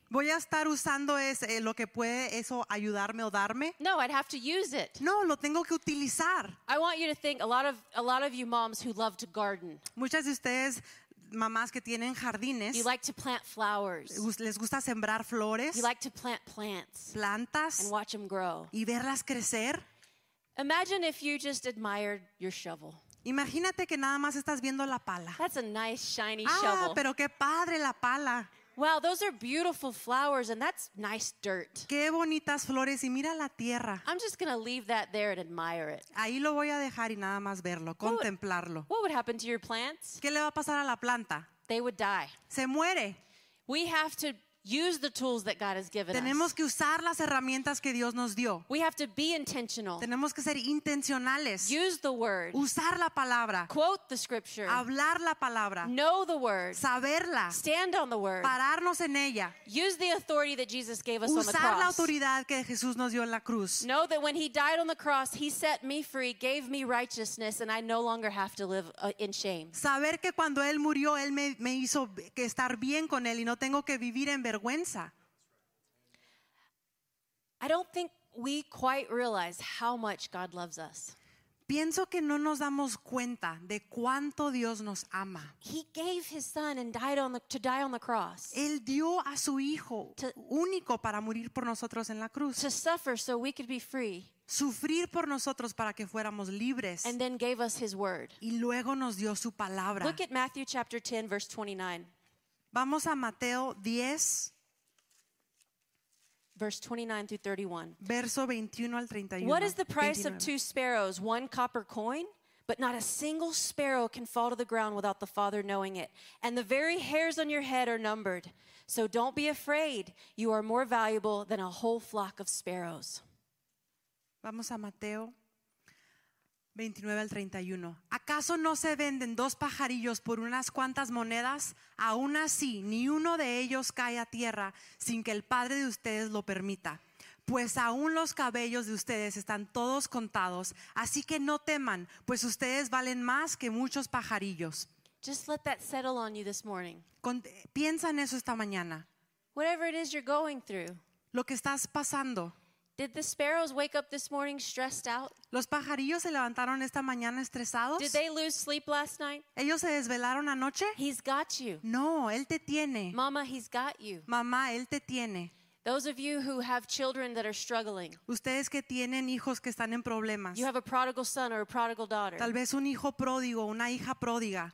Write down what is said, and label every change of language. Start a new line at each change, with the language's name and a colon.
Spanish: ¿Voy a estar usando lo que puede eso ayudarme o darme?
English: No, I'd have to use it.
Spanish: No, lo tengo que utilizar.
English: I want you to think a lot of you moms who love to garden.
Spanish: Muchas de ustedes mamás que tienen jardines.
English: You like to plant flowers.
Spanish: Les gusta sembrar flores.
English: You like to plant plants.
Spanish: Plantas.
English: And watch them grow.
Spanish: Y verlas crecer.
English: Imagine if you just admired your shovel.
Spanish: Imagínate que nada más estás viendo la pala.
English: That's a nice shiny shovel. Ah,
Spanish: pero qué padre la pala.
English: Wow, those are beautiful flowers and that's nice dirt.
Spanish: Qué bonitas flores y mira la tierra.
English: I'm just going to leave that there and admire it.
Spanish: Ahí lo voy a dejar y nada más verlo, contemplarlo.
English: What would happen to your plants?
Spanish: ¿Qué le va a pasar a la planta?
English: They would die.
Spanish: Se muere.
English: We have to use the tools that God has given
Spanish: tenemos
English: us.
Spanish: Que usar las herramientas que Dios nos dio.
English: We have to be intentional.
Spanish: Tenemos que ser intencionales.
English: Use the word.
Spanish: Usar la palabra.
English: Quote the scripture.
Spanish: Hablar la palabra.
English: Know the word.
Spanish: Saberla.
English: Stand on the word.
Spanish: Pararnos en ella.
English: Use the authority that Jesus gave us
Spanish: usar
English: on the cross.
Spanish: Usar la autoridad que Jesús nos dio en la cruz.
English: Know that when He died on the cross, He set me free, gave me righteousness, and I no longer have to live in shame.
Spanish: Saber que cuando Él murió, Él me hizo que estar bien con Él y no tengo que vivir en vergüenza.
English: I don't think we quite realize how much God loves us.
Spanish: Pienso que no nos damos cuenta de cuánto Dios nos ama.
English: He gave his son and died on the, to die on the cross.
Spanish: Él dio a su hijo to, único para morir por nosotros en la cruz.
English: To suffer so we could be free.
Spanish: Sufrir por nosotros para que fuéramos libres.
English: And then gave us his word.
Spanish: Y luego nos dio su palabra.
English: Look at Matthew chapter 10 verse 29.
Spanish: Vamos a Mateo 10
English: Verse 29 through 31.
Spanish: Verso 21 al 31.
English: What is the price 29. Of two sparrows? One copper coin? But not a single sparrow can fall to the ground without the Father knowing it. And the very hairs on your head are numbered. So don't be afraid. You are more valuable than a whole flock of sparrows.
Spanish: Vamos a Mateo 29 al 31. ¿Acaso no se venden dos pajarillos por unas cuantas monedas? Aún así, ni uno de ellos cae a tierra sin que el Padre de ustedes lo permita. Pues aún los cabellos de ustedes están todos contados. Así que no teman, pues ustedes valen más que muchos pajarillos.
English: Just let that settle on you this morning.
Spanish: Piensa en eso esta mañana.
English: Whatever it is you're going through.
Spanish: Lo que estás pasando.
English: Did the sparrows wake up this morning stressed out?
Spanish: ¿Los pajarillos se levantaron esta mañana estresados?
English: Did they lose sleep last night?
Spanish: ¿Ellos se desvelaron anoche?
English: He's got you.
Spanish: No, él te tiene.
English: Mama, he's got you.
Spanish: Mamá, él te tiene.
English: Those of you who have children that are struggling.
Spanish: Ustedes que tienen hijos que están en problemas.
English: You have a prodigal son or a prodigal daughter.
Spanish: Tal vez un hijo pródigo, una hija pródiga.